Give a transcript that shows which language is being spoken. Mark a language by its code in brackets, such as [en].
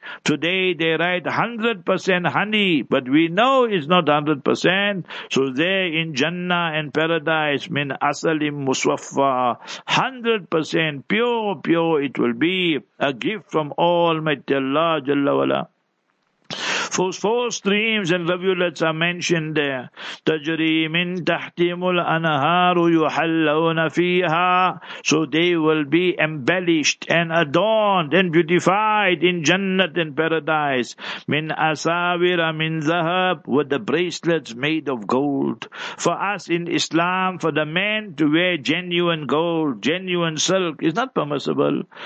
[en] Today they write 100% honey, but we know it's not 100%. So there in Jannah and paradise, min asalim muswaffa, 100% pure it will be, a gift from Almighty Allah Jalla Wala. Four streams and rivulets are mentioned there. [ar] تجري من تحتهم الأنهار يحلون فيها. [en] So they will be embellished and adorned and beautified in Jannat and Paradise. [ar] من أساور من ذهب, [en] with the bracelets made of gold. For us in Islam, for the men to wear genuine gold, genuine silk, is not permissible.